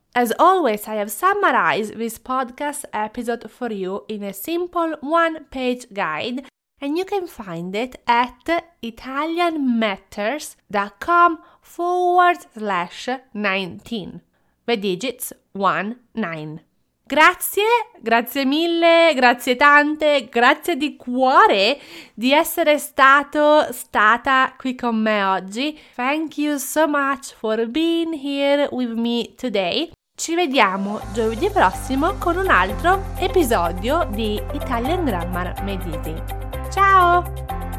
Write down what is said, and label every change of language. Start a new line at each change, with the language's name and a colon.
English: As always, I have summarized this podcast episode for you in a simple one-page guide, and you can find it at italianmatters.com/19. The digits 19.
Italian: Grazie, grazie mille, grazie tante, grazie di cuore di essere stata qui con me oggi.
English: Thank you so much for being here with me today.
Italian: Ci vediamo giovedì prossimo con un altro episodio di Italian Grammar Made Easy. Ciao!